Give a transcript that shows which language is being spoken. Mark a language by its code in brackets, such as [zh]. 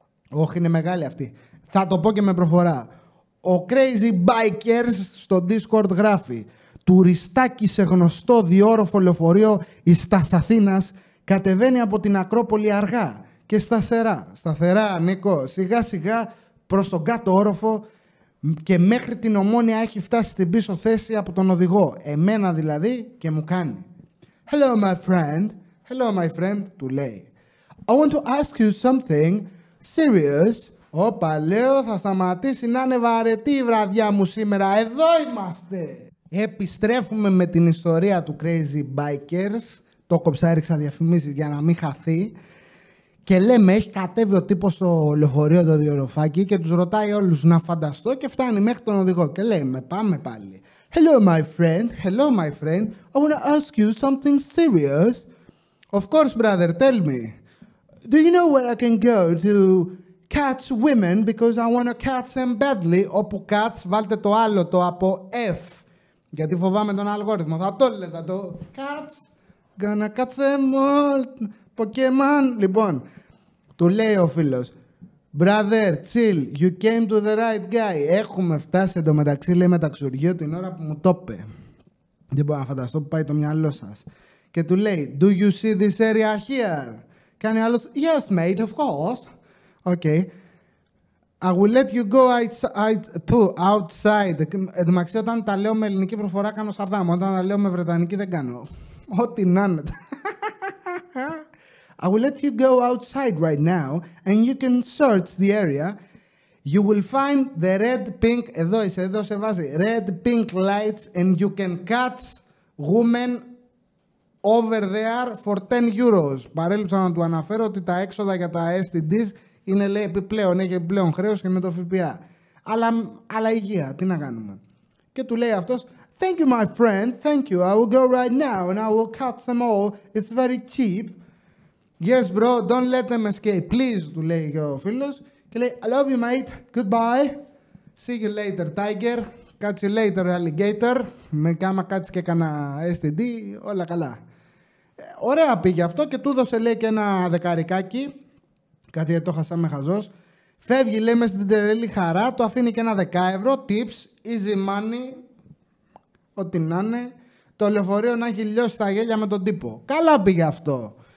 [el] Όχι, είναι μεγάλη αυτή. Θα το πω και με προφορά. Ο Crazy Bikers στο Discord γράφει: τουριστάκι σε γνωστό διόροφο λεωφορείο εις τας Αθήνας κατεβαίνει από την Ακρόπολη αργά και σταθερά. Σταθερά, Νίκο, σιγά σιγά προς τον κάτω όροφο και μέχρι την Ομόνια έχει φτάσει στην πίσω θέση από τον οδηγό. Εμένα δηλαδή και μου κάνει. [en] Hello my friend, [el] του λέει. [en] I want to ask you something serious. [el] Όπα, λέω, θα σταματήσει να είναι βαρετή η βραδιά μου σήμερα. Εδώ είμαστε! Επιστρέφουμε με την ιστορία του Crazy Bikers. Το κόψα, έριξα διαφημίσεις για να μην χαθεί. Και λέμε, έχει κατέβει ο τύπος στο λεωφορείο το διοροφάκι και τους ρωτάει όλους να φανταστώ και φτάνει μέχρι τον οδηγό. Και λέμε, πάμε πάλι. [en] Hello, my friend. I want to ask you something serious. Of course, brother, tell me. Do you know where I can go to... catch women because I want to catch them badly. [el] Όπου catch, βάλτε το άλλο το από F. Γιατί φοβάμαι τον αλγόριθμο. Θα το έλεγα το. [en] Catch. Gonna catch them all. Pokemon. [el] Λοιπόν, του λέει ο φίλος. [en] Brother, chill. You came to the right guy. [el] Έχουμε φτάσει εντωμεταξύ, λέει, με ταξιδιού την ώρα που μου το είπε. Δεν μπορώ να φανταστώ που πάει το μυαλό σας. Και του λέει, [en] do you see this area here? [el] Κάνει άλλος. [en] Yes, mate, of course. Okay, I will let you go outside. [el] Εντάξει, όταν τα λέω με ελληνική προφορά κάνω σαρδάμ. Όταν τα λέω με βρετανική δεν κάνω. Ό,τι να είναι. [en] I will let you go outside right now and you can search the area. You will find the red, pink, [el] εδώ είσαι, εδώ σε βάζει, [en] red, pink lights and you can catch women over there for 10 euros. [el] Παρέλειψα να του αναφέρω ότι τα έξοδα για τα STDs είναι, λέει, επιπλέον, έχει επιπλέον χρέος και με το ΦΠΑ. Αλλά υγεία, τι να κάνουμε. Και του λέει αυτός, [en] thank you my friend, thank you, I will go right now and I will catch them all, it's very cheap. Yes bro, don't let them escape, please, [el] του λέει και ο φίλος. Και λέει, [en] I love you mate, goodbye, see you later tiger, catch you later alligator, [el] με κάμα κάτσε και κανένα STD, όλα καλά. Ωραία πήγε αυτό και του δώσε, λέει, και ένα δεκαρικάκι. Κάτι γιατί το χασάμε χαζός. Φεύγει, λέει, μέσα στην τρελή χαρά. Το αφήνει και ένα 10 ευρώ. [en] Tips, easy money. [el] Ό,τι να είναι. Το λεωφορείο να έχει λιώσει τα γέλια με τον τύπο. Καλά πήγε αυτό.